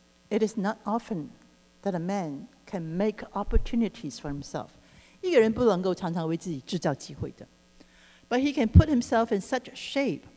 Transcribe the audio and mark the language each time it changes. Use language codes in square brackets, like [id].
[en] It is not often that a man can make opportunities for himself. [zh] 一个人不能够常常为自己制造机会的。 [en] But he can put himself in such shape.